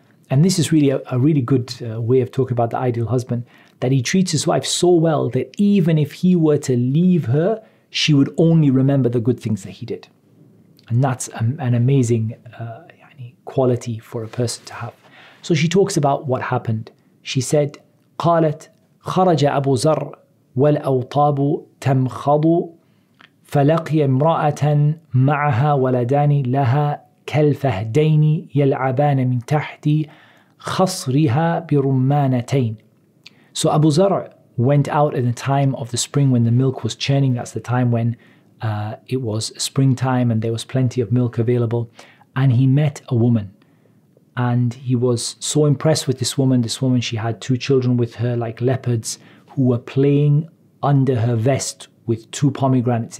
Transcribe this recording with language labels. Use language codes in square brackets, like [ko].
[en] And this is really a really good way of talking about the ideal husband, that he treats his wife so well that even if he were to leave her, she would only remember the good things that he did. And that's an amazing quality for a person to have. So she talks about what happened. She said, [ar] قالت خرج أبو زر والأوطاب تمخض فلقي امرأة معها ولدان لها كالفهدين يلعبان من تحت خصرها برمانتين. [en] So Abu Zar went out in the time of the spring when the milk was churning. That's the time when it was springtime and there was plenty of milk available. And he met a woman. And he was so impressed with this woman. This woman, she had two children with her, like leopards, who were playing under her vest with two pomegranates.